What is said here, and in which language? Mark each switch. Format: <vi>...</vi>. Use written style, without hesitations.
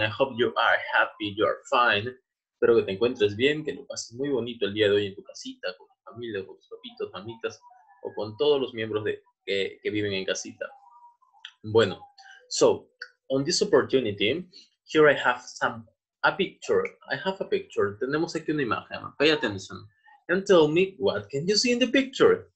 <en>I hope you are happy, you are fine.</en> <es>Espero que te encuentres bien, que lo pases muy bonito el día de hoy en tu casita, con tu familia, con tus papitos, mamitas, o con todos los miembros de, que viven en casita.</es> <en>Bueno, so, on this opportunity, here I have a picture. I have a picture.</en> <es>Tenemos aquí una imagen.</es> <en>Pay attention. And tell me, what can you see in the picture?</en>